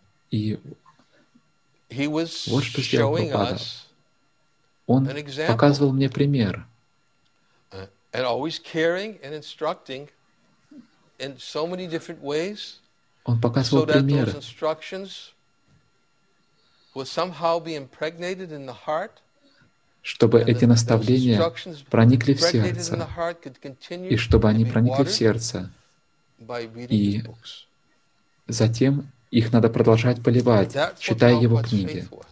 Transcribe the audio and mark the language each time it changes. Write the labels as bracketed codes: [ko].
[ru] И вот что сделал Прабхупада. Он показывал мне пример, [en] And always caring and instructing in so many different ways. [ru] Он показывал примеры. [en] Those instructions will somehow be impregnated in the heart. [ru] Чтобы эти наставления проникли в сердце, и чтобы они проникли в сердце. И затем их надо продолжать поливать, читая его книги.